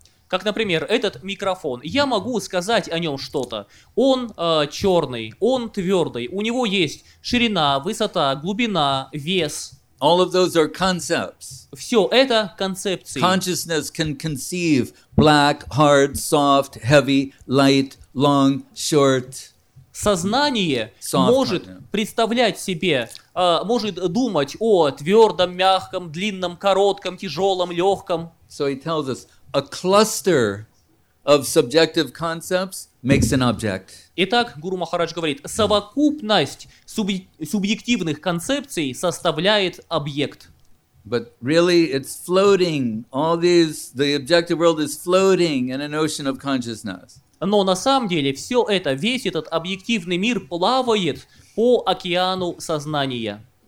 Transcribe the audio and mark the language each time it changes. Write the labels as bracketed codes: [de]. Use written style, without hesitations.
[ru] Как, например, этот микрофон. Я могу сказать о нем что-то. Он черный, он твердый. У него есть ширина, высота, глубина, вес. [en] All of those are concepts. [ru] Все это концепции. [en] Consciousness can conceive black, hard, soft, heavy, light, long, short. [ru] Сознание может представлять себе, может думать о твердом, мягком, длинном, коротком, тяжелом, легком. [en] So he tells us, a cluster of subjective concepts makes an object. [ru] Итак, Гуру Махарадж говорит, совокупность субъективных концепций составляет объект. [en] But really, it's floating. All these, the objective world is floating in an ocean of consciousness. [ru] Но на самом деле все это, весь этот объективный мир плавает по океану сознания.